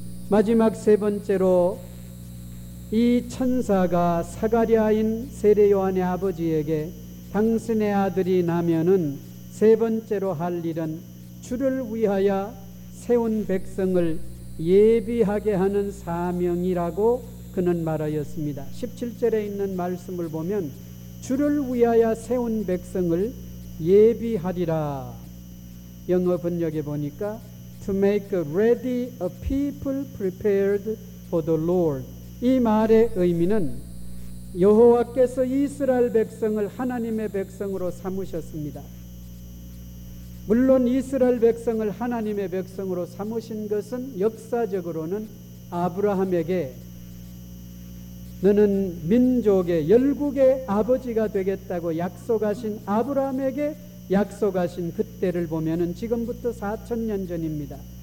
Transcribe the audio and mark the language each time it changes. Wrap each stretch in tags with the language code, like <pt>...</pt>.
<ko>마지막 세 번째로 이 천사가 사가랴인 세례 요한의 아버지에게 당신의 아들이 나면은 세 번째로 할 일은 주를 위하여 세운 백성을 예비하게 하는 사명이라고 그는 말하였습니다. 17절에 있는 말씀을 보면 주를 위하여 세운 백성을 예비하리라. 영어 번역에 보니까</ko> <en>To make ready a people prepared for the Lord.</en> <ko>이 말의 의미는 여호와께서 이스라엘 백성을 하나님의 백성으로 삼으셨습니다. 물론 이스라엘 백성을 하나님의 백성으로 삼으신 것은 역사적으로는 아브라함에게 너는 민족의 열국의 아버지가 되겠다고 약속하신 아브라함에게 약속하신 그때를 보면은 지금부터 4천년 전입니다.</ko>